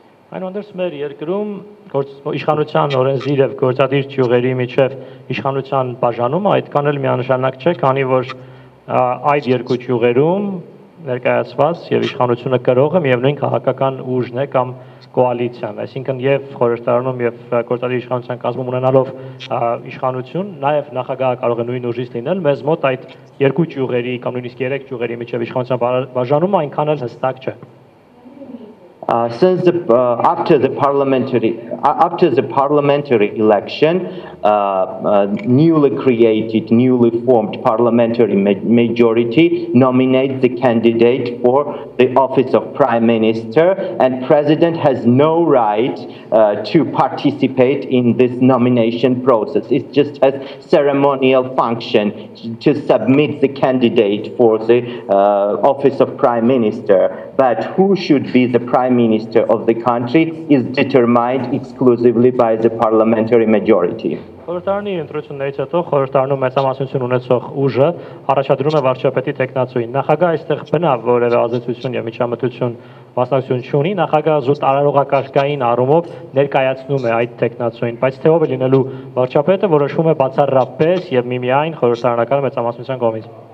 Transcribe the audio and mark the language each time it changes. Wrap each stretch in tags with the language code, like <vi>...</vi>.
<hy>Այն ոնց մեր երկրում իշխանության օրենսդիր եւ գործադիր ճյուղերի միջև իշխանության բաժանումը այդքան էլ միանշանակ չէ, քանի որ այդ երկու ճյուղերում ներկայացված եւ իշխանությունը կրող է միևնույն քաղաքական ուժն է կամ կոալիցիան, այսինքն եւ խորհրդարանում եւ գործադիր իշխանության կազմում ունենալով իշխանություն, նաեւ նախագահը կարող է նույն ուժից լինել, մեզ մոտ այդ երկու ճյուղերի կամ նույնիսկ երեք ճյուղերի միջև իշխանության բաժանումը այնքան էլ հստակ չէ։</hy> <en>Since the, after the parliamentary election, newly created, newly formed parliamentary majority nominates the candidate for the office of prime minister, and president has no right to participate in this nomination process. It's just a ceremonial function to submit the candidate for the office of prime minister. But who should be the prime minister of the country is determined exclusively by the parliamentary majority.</en> <hy>Խորհրդարանի ընտրություններից հետո խորհրդարանը մեծամասնություն ունեցող ուժը առաջադրում է վարչապետի տեկնացուին։ Նախագահը այստեղ բնավ որևէ ազդեցություն եւ միջամտություն վաստակություն չունի, նախագահը զուտ արարողակարգային առումով ներկայացնում է այդ տեկնացուին, բայց թե ով է լինելու վարչապետը որոշվում է բացառապես եւ միմիայն խորհրդարանական մեծամասնության կողմից։</hy>